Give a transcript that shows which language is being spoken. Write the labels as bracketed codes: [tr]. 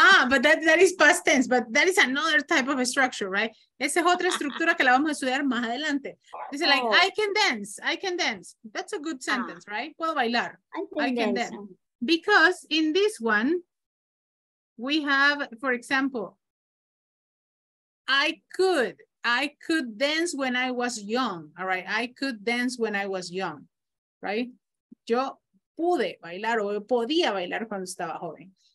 [en] But that is past tense, but that is another type of a structure, right? [es] Esa es otra estructura que la vamos a estudiar más adelante. [en] Dice, like, I can dance. That's a good sentence, right? [es] Puedo bailar. [en] I can dance. Because in this one, we have, for example, I could dance when I was young, all right? I could dance when I was young, right? [es] Yo pude bailar o podía bailar cuando estaba joven.